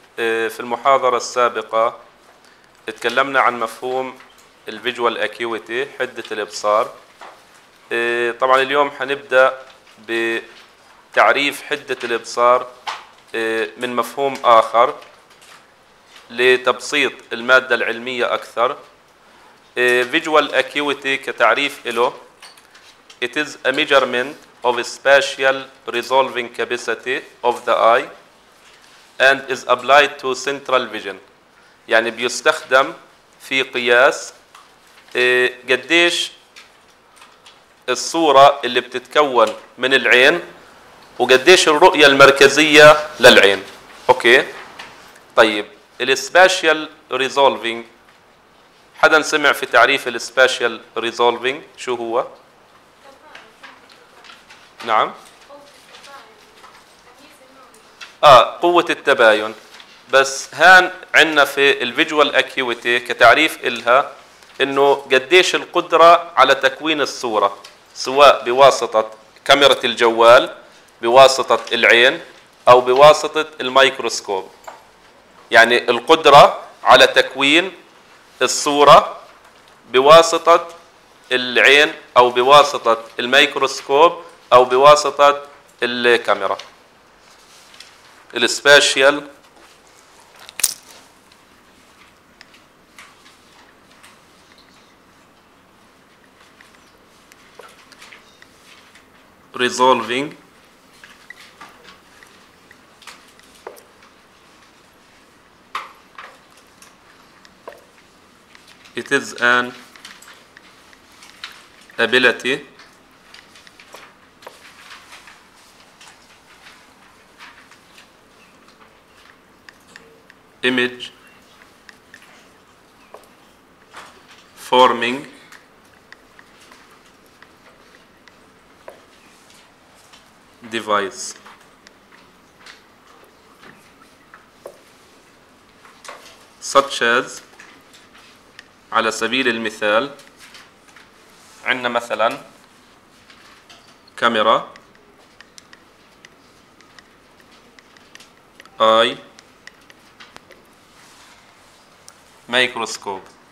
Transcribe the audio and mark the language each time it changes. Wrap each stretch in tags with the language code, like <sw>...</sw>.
<ar>في المحاضرة السابقة تكلمنا عن مفهوم الفيجوال اكيوتي، حدة الإبصار. طبعا اليوم حنبدأ بتعريف حدة الإبصار من مفهوم آخر لتبسيط المادة العلمية أكثر. فيجوال اكيوتي كتعريف له:</ar> <en>It is a measurement of spatial resolving capacity of the eye and is applied to central vision.</en> <ar>يعني بيستخدم في قياس قديش الصورة اللي بتتكون من العين وقديش الرؤية المركزية للعين. اوكي، طيب الاسباشيال ريزولفينج، حدا سمع في تعريف الاسباشيال ريزولفينج شو هو؟ نعم، قوة التباين. بس هان عندنا في الفيجوال اكيوتي كتعريف إلها انه قديش القدرة على تكوين الصورة، سواء بواسطة كاميرا الجوال، بواسطة العين، او بواسطة الميكروسكوب. يعني القدرة على تكوين الصورة بواسطة العين او بواسطة الميكروسكوب او بواسطة الكاميرا. الاسباشيال ريزولفينج</ar> <en>It is an ability image forming device. such as</en> <ar>على سبيل المثال عندنا مثلا كاميرا اي ميكروسكوب.</ar>